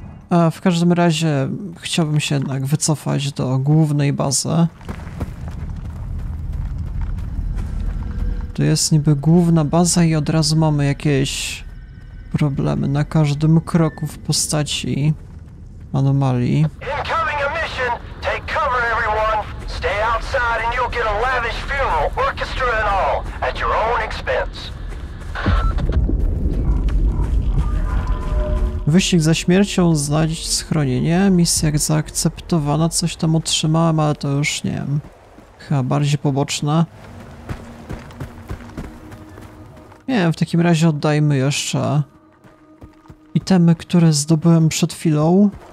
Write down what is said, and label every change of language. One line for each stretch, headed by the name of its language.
Polish: A w każdym razie chciałbym się jednak wycofać do głównej bazy. To jest niby główna baza i od razu mamy jakieś problemy na każdym kroku w postaci anomalii.
English: Incoming a mission! Take cover, everyone! Stay outside and you'll get a lavish funeral, orchestra and all, at your own expense.
Polish: Wyścig za śmiercią, znaleźć schronienie, misja jak zaakceptowana, coś tam otrzymałem, ale to już nie wiem, chyba bardziej poboczne. Nie wiem, w takim razie oddajmy jeszcze itemy, które zdobyłem przed chwilą.